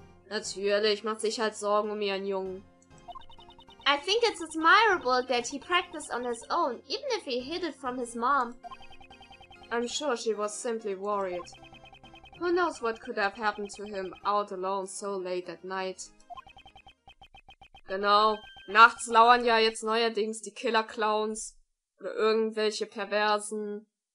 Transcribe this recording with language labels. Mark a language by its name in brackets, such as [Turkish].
[German] Natürlich macht sich halt Sorgen um ihren Jungen. [English] I think it's admirable that he practiced on his own, even if he hid it from his mom. I'm sure she was simply worried. Who knows what could have happened to him out alone so late at night. [German] Genau, nachts lauern ja jetzt neuerdings die Killer-Clowns oder irgendwelche Perversen.